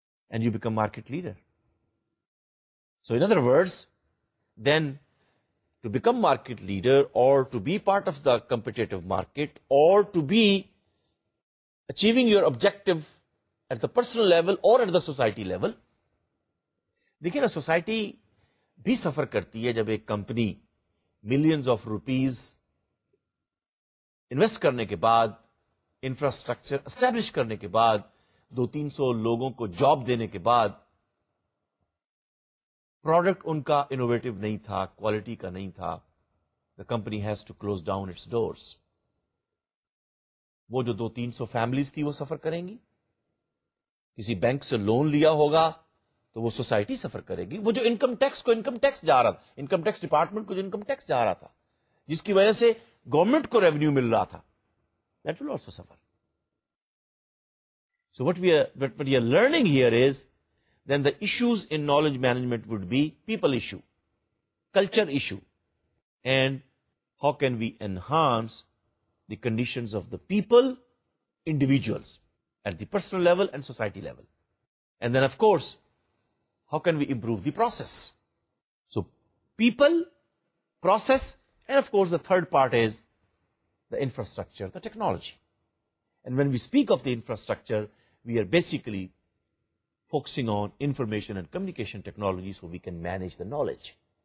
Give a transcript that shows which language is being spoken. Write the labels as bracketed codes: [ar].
[en] And you become market leader. So in other words, then to become market leader or to be part of the competitive market or to be achieving your objective at the personal level or at the society level. [ur] Dekhiye na, society بھی سفر کرتی ہے جب ایک company millions of rupees invest کرنے کے بعد, infrastructure establish کرنے کے بعد, 200-300 لوگوں کو جاب دینے کے بعد, پروڈکٹ ان کا انوویٹو نہیں تھا, کوالٹی کا نہیں تھا, [en] The company has to close down its doors. [ur] وہ جو 200-300 فیملیز تھی وہ سفر کریں گی. کسی بینک سے لون لیا ہوگا تو وہ سوسائٹی سفر کرے گی. وہ جو انکم ٹیکس کو انکم ٹیکس جا رہا تھا, انکم ٹیکس ڈپارٹمنٹ کو جو انکم ٹیکس جا رہا تھا, جس کی وجہ سے گورنمنٹ کو ریونیو مل رہا تھا, [en] That will also suffer. So what we are learning here is then the issues in knowledge management would be people issue, culture issue, and how can we enhance the conditions of the people, individuals at the personal level and society level, and then of course how can we improve the process. So people, process, and of course the third part is the infrastructure, the technology. And when we speak of the infrastructure, we are basically focusing on information and communication technology so we can manage the knowledge.